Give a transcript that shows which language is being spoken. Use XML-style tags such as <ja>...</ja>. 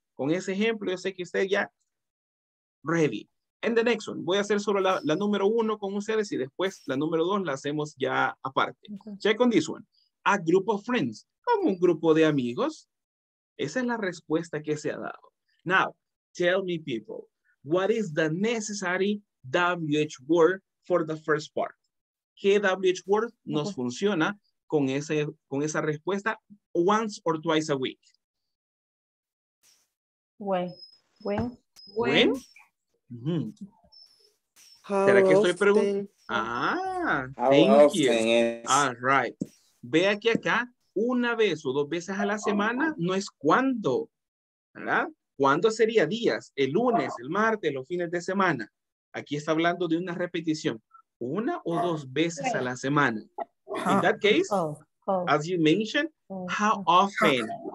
<es>Con ese ejemplo, yo sé que usted ya ready.</es> <en>And the next one,</en> <es>voy a hacer solo la número uno con ustedes y después la número dos la hacemos ya aparte. Okay.</es> <en>Check on this one. A group of friends,</en> <es>como un grupo de amigos. Esa es la respuesta que se ha dado.</es> <en>Now, tell me people, what is the necessary WH word for the first part?</en> <es>¿Qué WH word nos okay. funciona con esa respuesta</es> <en>once or twice a week? When? Mm-hmm.</en> <es>How ¿Será que estoy preguntando?</es> <en>Ah, thank you. All right.</en> <es>Vea que acá una vez o dos veces a la semana no es cuándo, ¿verdad? ¿Cuándo sería días? El lunes, el martes, los fines de semana. Aquí está hablando de una repetición. Una o dos veces a la semana.</es> <en>In that case, as you mentioned, how often?</en>